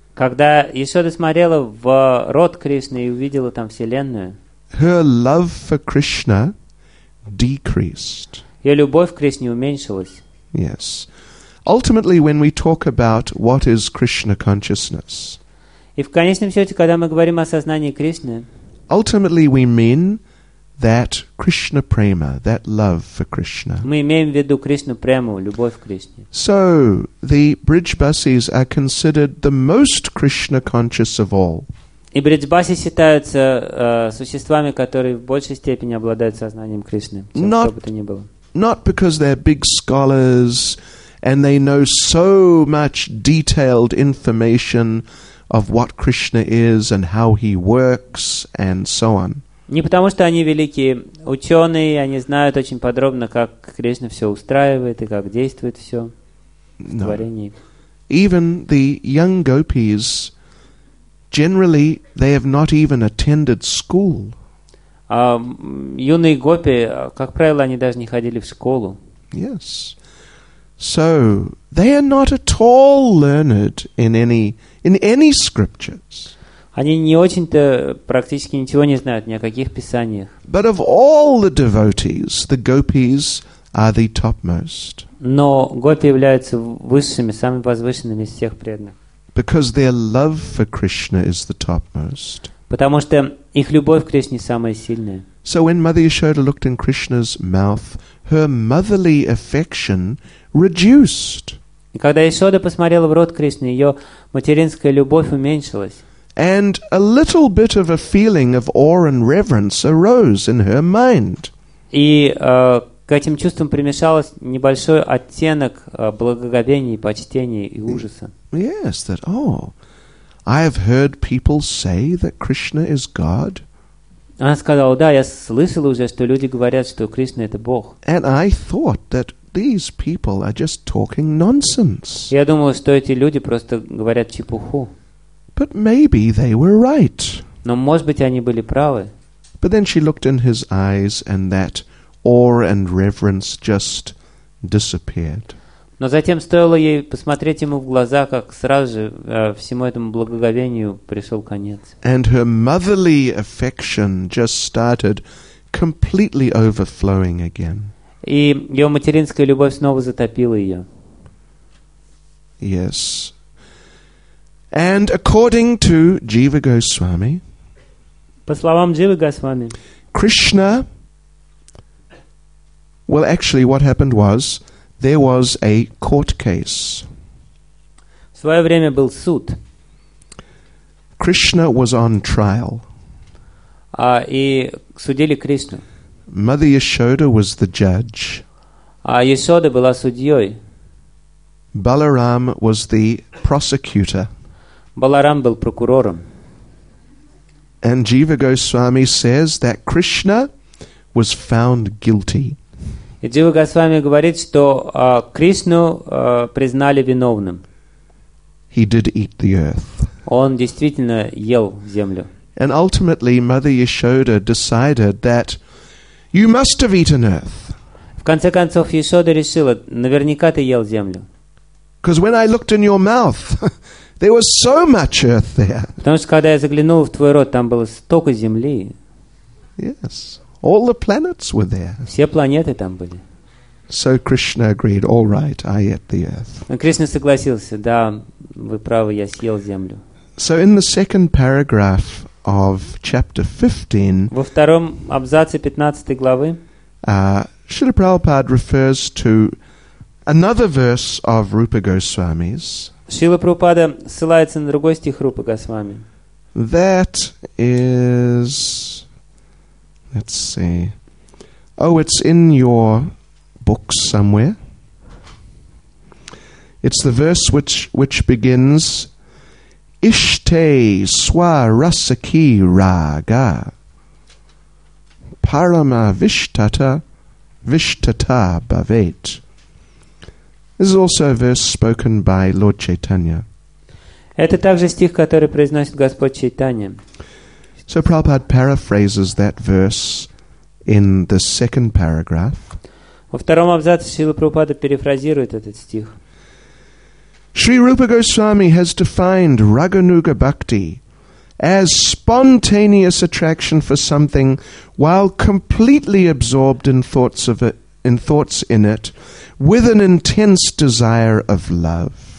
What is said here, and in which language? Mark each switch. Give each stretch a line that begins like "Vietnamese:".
Russian: когда Ясода смотрела в рот Кришны и увидела там вселенную,
English: her love for Krishna decreased.
Russian: Ее любовь к Кришне уменьшилась.
English: Yes. Ultimately, when we talk about what is Krishna consciousness,
Russian: и в конечном счете, когда мы говорим о сознании Кришны,
English: ultimately we mean that Krishna prema, that love for Krishna.
Russian: Мы имеем в виду Кришну прему, любовь к Кришне.
English: So the Brijbasis are considered the most Krishna conscious of all.
Russian: И Бриджбаси считаются существами, которые в большей степени обладают сознанием Кришны, чем кто бы то ни было.
English: Not because they're big scholars and they know so much detailed information of what Krishna is and how he works and so on.
Russian: Не потому, что они великие ученые, они знают очень подробно, как Кришна все устраивает и как действует все в творении.
English: Even the young gopis, generally, they have not even attended school.
Russian: Юные гопи, как правило, они даже не ходили в школу.
English: Yes. So, they are not at all learned in any scriptures.
Russian: Они не очень-то практически ничего не знают ни о каких писаниях.
English: But of all the devotees, the gopis are the topmost.
Russian: Но гопи являются высшими, самыми возвышенными из всех преданных.
English: Because their love for Krishna is the topmost.
Russian: Потому что их любовь к Кришне самая сильная.
English: So when Mother Yashoda looked in Krishna's mouth, her motherly affection reduced.
Russian: И когда Ясода посмотрела в рот Кришны, ее материнская любовь уменьшилась.
English: And a little bit of a feeling of awe and reverence arose in her mind.
Russian: И к этим чувствам примешалось небольшой оттенок благоговения, почтения и ужаса.
English: Yes, that, oh, I have heard people say that Krishna is God.
Russian: Она сказала, да, я слышала уже, что люди говорят, что Кришна — это Бог.
English: And I thought that these people are just talking nonsense.
Russian: Я думала, что эти люди просто говорят чепуху.
English: But maybe they were right.
Russian: Но, может быть, они были правы.
English: But then she looked in his eyes and that awe and reverence just disappeared.
Russian: Но затем стоило ей посмотреть ему в глаза, как сразу же всему этому благоговению пришел конец.
English: And her motherly affection just started completely overflowing again.
Russian: И ее материнская любовь снова затопила ее.
English: Yes. And according to Jiva Goswami,
Russian: по словам Jiva Goswami,
English: Krishna, well, actually, what happened was, there was a court case.
Russian: В свое время был суд.
English: Krishna was on trial.
Russian: И судили Кришну.
English: Mother Yashoda was the judge.
Russian: Ясода была судьей.
English: Balaram was the prosecutor.
Russian: Баларам был прокурором.
English: And Jiva Goswami says that Krishna was found guilty.
Russian: И Jiva Goswami говорит, что Кришну признали виновным.
English: He did eat the earth.
Russian: Он действительно ел землю.
English: And ultimately Mother Yashoda decided that you must have eaten earth.
Russian: В конце концов Ясода решила, наверняка ты ел землю.
English: Because when I looked in your mouth, there was so much earth there.
Russian: Потому что когда я заглянул в твой рот, там было столько земли.
English: Yes, all the planets were there.
Russian: Все планеты там были.
English: So Krishna agreed. All right, I ate the earth.
Russian: Кришна согласился. Да, вы правы, я съел землю.
English: So in the second paragraph of chapter 15.
Russian: Во втором абзаце 15 главы.
English: Шрила Прабхупада refers to another verse of Rupa Goswami's.
Russian: Шрила Прабхупада ссылается на другой стих Рупы Госвами.
English: That is, let's see. Oh, it's in your book somewhere. It's the verse which begins
Sanskrit: Ishte Swa Rasaki Raga Parama Vishtata Vishtata Bhavet.
English: This is also a verse spoken by Lord Chaitanya.
Russian: Это также стих, который произносит Господь Чайтанья.
English: So Prabhupada paraphrases that verse in the second paragraph.
Russian: Во втором абзаце Шрила Прабхупада перефразирует этот стих.
English: Шри Рупа Госвами has defined Рагануга Бхакти as spontaneous attraction for something while completely absorbed in thoughts of it, in thoughts in it, with an intense desire of love.